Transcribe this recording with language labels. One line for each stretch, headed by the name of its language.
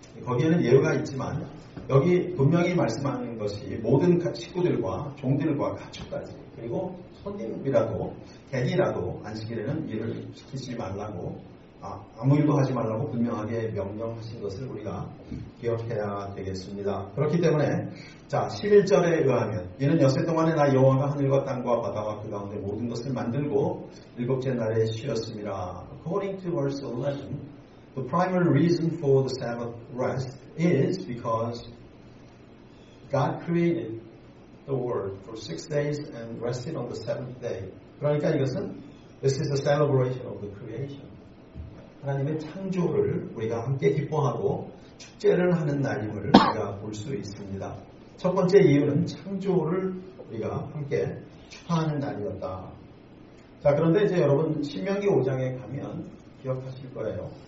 Korean: 거기에는 예외가 있지만 여기 분명히 말씀하는 것이 모든 식구들과 종들과 가축까지 그리고 손님이라도 개니라도 안식일에는 일을 시키지 말라고 아무 일도 하지 말라고 분명하게 명령하신 것을 우리가 기억해야 되겠습니다. 그렇기 때문에 자 11절에 의하면 이는 엿새 동안에 나 여호와가 하늘과 땅과 바다와 그 가운데 모든 것을 만들고 일곱째 날에 쉬었습니다.
English: According to verse 11, the primary reason for the Sabbath rest is because God created the world for 6 days and rested on the seventh day.
Korean: 그러니까 이것은
English: this is the celebration of the creation.
Korean: 하나님의 창조를 우리가 함께 기뻐하고 축제를 하는 날임을 우리가 볼 수 있습니다. 첫 번째 이유는 창조를 우리가 함께 축하하는 날이었다. 자, 그런데 이제 여러분 신명기 5장에 가면 기억하실 거예요.